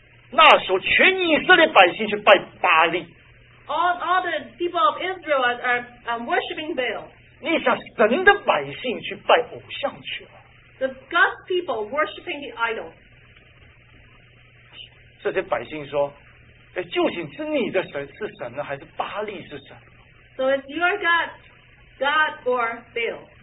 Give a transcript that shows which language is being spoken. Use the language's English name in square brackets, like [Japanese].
[Chinese] 那时候全以色列百姓去拜巴利。 [English] All the people of Israel are worshiping Baal. [Chinese] 你想神的百姓去拜偶像去了 [English] ？The God's people worshiping the idol. [Chinese] 这些百姓说：“哎，究竟是你的神是神呢，还是巴利是神 [English] ？”So is your God God or Baal?